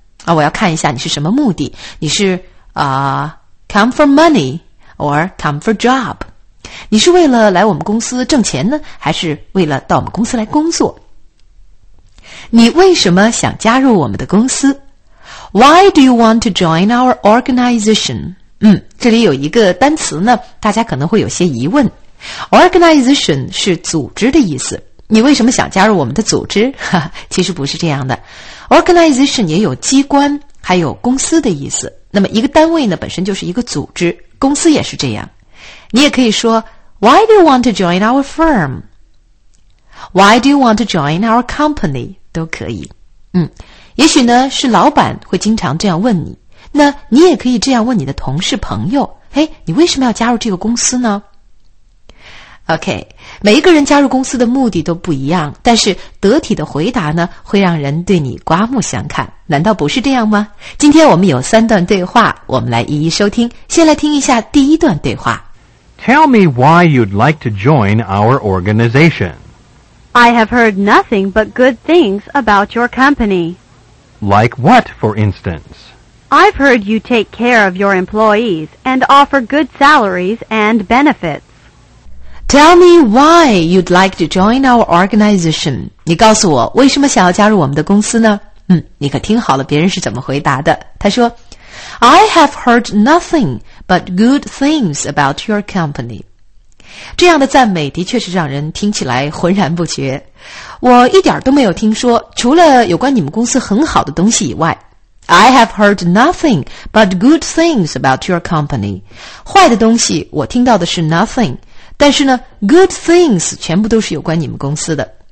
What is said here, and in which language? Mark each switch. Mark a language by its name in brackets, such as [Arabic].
[Chinese] 啊，我要看一下你是什么目的，你是 [English] come for money or come for job， [Chinese] 你是为了来我们公司挣钱呢，还是为了到我们公司来工作？你为什么想加入我们的公司？ [English] Why do you want to join our organization？ [Chinese] 这里有一个单词呢，大家可能会有些疑问， organization 是组织的意思，你为什么想加入我们的组织？其实不是这样的， organization 也有机关还有公司的意思，那么一个单位呢，本身就是一个组织，公司也是这样。 [English] 你也可以说 Why do you want to join our firm？ Why do you want to join our company？ [Chinese] 都可以。也许呢是老板会经常这样问你，那你也可以这样问你的同事朋友，哎，你为什么要加入这个公司呢？ OK， 每一个人加入公司的目的都不一样，但是得体的回答呢会让人对你刮目相看，难道不是这样吗？今天我们有三段对话，我们来一一收听，先来听一下第一段对话。 [English] Tell me why you'd like to join our organization。 I have heard nothing but good things about your company。 Like what, for instance？ I've heard you take care of your employees and offer good salaries and benefits. Tell me why you'd like to join our organization. [Chinese] 你告诉我为什么想要加入我们的公司呢？你可听好了别人是怎么回答的。他说 [English] I have heard nothing but good things about your company. [Chinese] 这样的赞美的确是让人听起来浑然不觉。我一点都没有听说除了有关你们公司很好的东西以外， [English] I have heard nothing but good things about your company. [Chinese] 坏的东西我听到的是 nothing， 但是呢 good things 全部都是有关你们公司的。